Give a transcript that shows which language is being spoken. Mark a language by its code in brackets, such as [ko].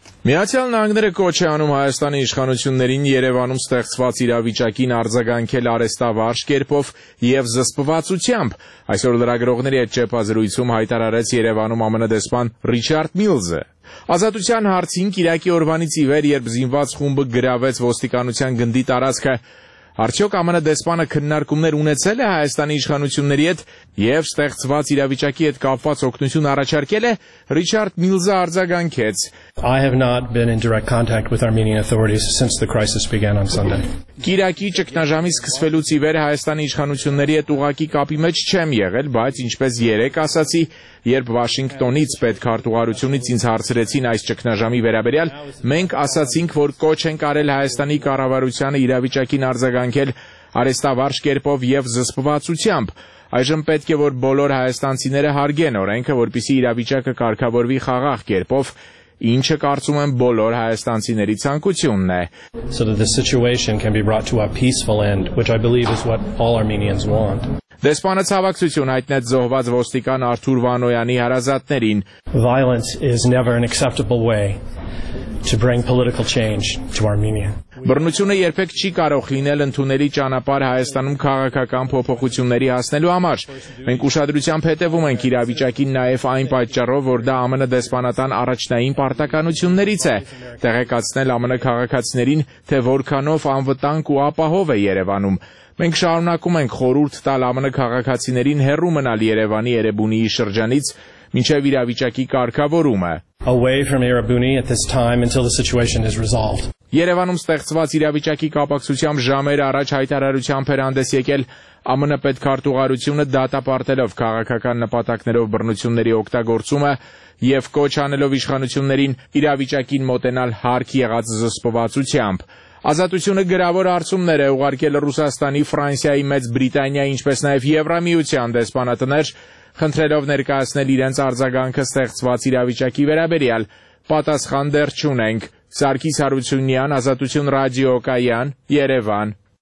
[hy] Միացյալ Նահանգները կոչ է անում Հայաստանի իշխանություններին Երևանում ստեղծված իրավիճակին արձագանքել արեստավարժ կերպով և զսպվածությամբ։ Այսօր լրագրողների հետ ճեպազրույցում հայտարարեց Երևանում ԱՄՆ դեսպան Ռիչարդ Միլզը։ Ազատության հարցին կիրակի օրվանից ի վեր, երբ զինված խումբը գրավեց ոստիկանության գնդի տարածքը, արդյոք ԱՄՆ դեսպանը քննարկումներ ունեցել է Հայաստանի իշխանությունների հետ և ստեղծված իրավիճակի հետ կապված օգնություն առաջարկել է, Ռիչարդ Միլզը արձագանքեց. [en] I have not been in direct contact with Armenian authorities since the crisis began on Sunday. [hy] Կիրակի ճգնաժամի սկսվելուց ի վեր Հայաստանի իշխանությունների հետ ուղակի կապի մեջ չեմ եղել, բայց ինչպես երեկ ասացի, երբ Վաշինգտոնից պետքարտուղարությունից ինձ հարցրեցին այս ճգնաժամի վերաբերյալ, մենք ասացինք, որ կոչ ենք արել Հայաստանի կառավարությանը իրավիճակին արձագանքել արեստավարժ կերպով և զսպվածությամբ. Այժմ պետք է, որ բոլոր հայաստանցիները հարգեն օրենքը, որպեսզի իրավիճակը կարգավորվի խաղաղ կերպով, ինչը կարծում եմ բոլոր հայաստանցիների ցանկությունն է. [en] So that the situation can be brought to a peaceful end, which I believe is what all Armenians want. [hy] Դեսպանը ցավակցություն հայտնեց զոհված ոստիկան Արթուր Վանոյանի հարազատներին. [en] Violence is never an acceptable way to bring political change to Armenia. [hy] Բռնությունը երբեք չի կարող լինել ընդունելի ճանապարհ Հայաստանում քաղաքական փոփոխությունների հասնելու համար։ Մենք ուշադրությամբ հետևում ենք իրավիճակին նաև այն պատճառով, որ դա ԱՄՆ դեսպանատան առաջնային պարտականություններից է՝ տեղեկացնել ԱՄՆ քաղաքացիներին, թե որքանով անվտանգ ու ապահով է Երևանում։ Մենք շարունակում ենք խորհուրդ տալ ԱՄՆ քաղաքացիներին հեռու մնալ Երևանի Էրեբունիի շրջանից, մինչև իրավիճակի կարգավորումը։ [en] Away from Erebuni at this time until the situation is resolved. [hy] Երևանում ստեղծված իրավիճակի կապակցությամբ ժամեր առաջ հայտարարությամբ էր հանդես եկել ԱՄՆ պետքարտուղարությունը, դատապարտելով քաղաքական նպատակներով բռնությունների օգտագործումը և կոչ անելով իշխանություններին իրավիճակին մոտենալ հարկ եղած զսպվածությամբ։ Ազատությունը գրավոր արցումներ է ուղարկել Ռուսաստանի, Ֆրանսիայի, Մեծ Բրիտանիայի, ինչպես նաև Եվրամիության դեսպանատներ, խնդրելով ներկայացնել իրենց արձագանքը ստեղծված իրավիճակի վերաբերյալ։ Պատասխան դեռ չունենք։ Սարգիս Հարությունյան, Ազատություն ռադիոկայան, Երևան։